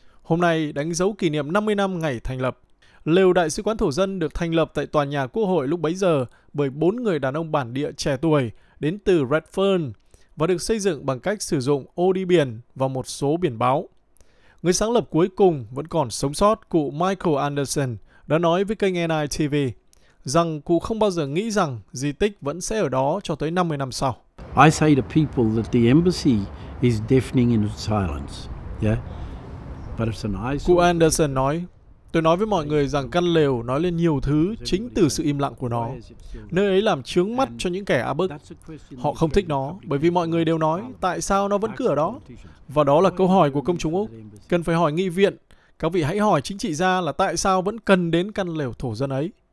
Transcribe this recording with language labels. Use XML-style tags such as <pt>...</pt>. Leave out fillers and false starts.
<vi>Hôm nay đánh dấu kỷ niệm 50 năm ngày thành lập. Lều đại sứ quán thổ dân được thành lập tại tòa nhà quốc hội lúc bấy giờ bởi 4 người đàn ông bản địa trẻ tuổi đến từ Redfern và được xây dựng bằng cách sử dụng ô đi biển và một số biển báo. Người sáng lập cuối cùng vẫn còn sống sót, cụ Michael Anderson, đã nói với kênh NITV rằng cụ không bao giờ nghĩ rằng di tích vẫn sẽ ở đó cho tới 50 năm sau.</vi> <en>I say to people that the embassy is deafening in its silence. Yeah. But it's an eye.</en> <vi>Cụ Anderson nói, tôi nói với mọi người rằng căn lều nói lên nhiều thứ chính từ sự im lặng của nó. Nơi ấy làm chướng mắt cho những kẻ á bức. Họ không thích nó bởi vì mọi người đều nói tại sao nó vẫn cứ ở đó. Và đó là câu hỏi của công chúng Úc. Cần phải hỏi nghị viện. Các vị hãy hỏi chính trị gia là tại sao vẫn cần đến căn lều thổ dân ấy.</vi>